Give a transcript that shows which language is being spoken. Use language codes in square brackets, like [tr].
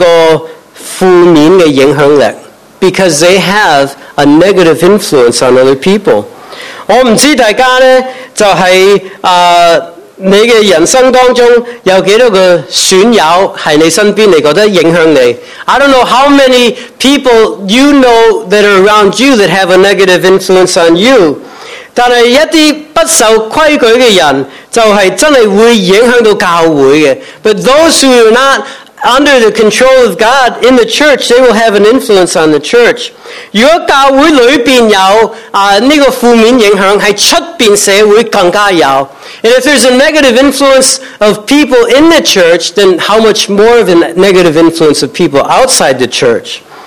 [zh] 因为他是有他的负面的影响力, [en] because they have a negative influence on other people. [zh] 我不知道大家呢,就是, 你的人生当中有几多个损友在你身边来觉得影响你? [en] I don't know how many people you know that are around you that have a negative influence on you. [zh] 但是一些不受规矩的人就是真的会影响到教会的。 [en] But those who are not under the control of God in the church, they will have an influence on the church. [zh] 如果教会里面有这个负面影响,在外面社会更加有。 [en] And if there's a negative influence of people in the church, then how much more of a negative influence of people outside the church?